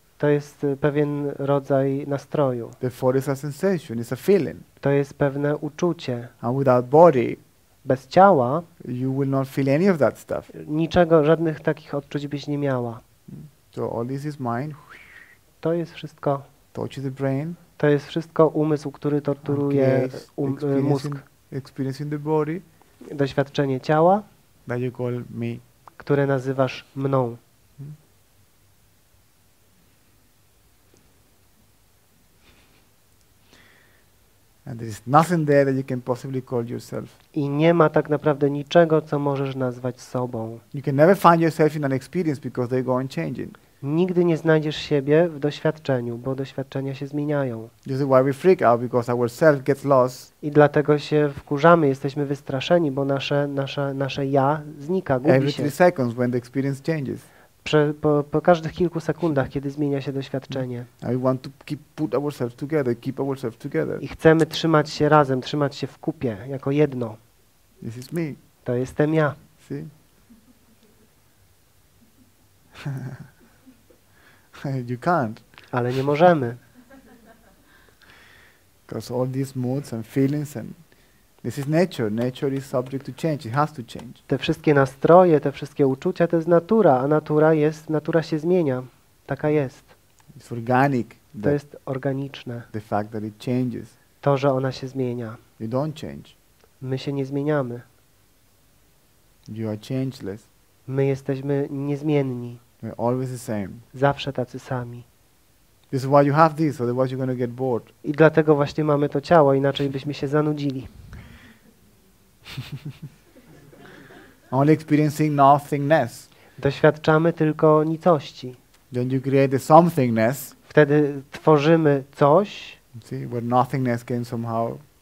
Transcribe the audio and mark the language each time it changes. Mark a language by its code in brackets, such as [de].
[pl] To jest pewien rodzaj nastroju. [en] The body is a sensation, it's a feeling. [pl] To jest pewne uczucie. [en] And without body, [pl] bez ciała, [en] you will not feel any of that stuff. [pl] Niczego, żadnych takich odczuć byś nie miała. [en] So all this is mind. [pl] To jest wszystko. [en] Touch the brain. [pl] To jest wszystko umysł, który torturuje mózg. [en] Experiencing the body. [pl] Doświadczenie ciała. [en] That you call me. [pl] Które nazywasz mną. [en] And there is nothing there that you can possibly call yourself. [pl] I nie ma tak naprawdę niczego, co możesz nazwać sobą. [en] You can never find yourself in an experience because they go on changing. [pl] Nigdy nie znajdziesz siebie w doświadczeniu, bo doświadczenia się zmieniają. [en] This is why we freak out because our self gets lost. [pl] I dlatego się wkurzamy, jesteśmy wystraszeni, bo nasze ja znika, gubi [en] every [pl] się. [en] Every 3 seconds when the experience changes. [pl] Po każdych kilku sekundach, kiedy zmienia się doświadczenie. [en] I want to put ourselves together, keep ourselves together. [pl] I chcemy trzymać się razem, trzymać się w kupie, jako jedno. [en] This is me. [pl] To jestem ja. [en] See? You can't. [pl] Ale nie możemy. [en] Because all these moods and feelings and this is nature. Nature is subject to change. It has to change. [pl] Te wszystkie nastroje, te wszystkie uczucia, to jest natura, a natura się zmienia. Taka jest. [en] It's organic. [pl] To jest organiczne. [en] The fact that it changes. [pl] To, że ona się zmienia. [en] You don't change. [pl] My się nie zmieniamy. [en] You are changeless. [pl] My jesteśmy niezmienni. [en] We're always the same. [pl] Zawsze tacy sami. [en] This is why you have this, otherwise you're going to get bored. [pl] I dlatego właśnie mamy to ciało, inaczej byśmy się zanudzili. [en] Only experiencing nothingness. [pl] Doświadczamy tylko nicości. [en] Then you create a somethingness. [pl] Wtedy tworzymy coś. [en] See, where nothingness came somehow.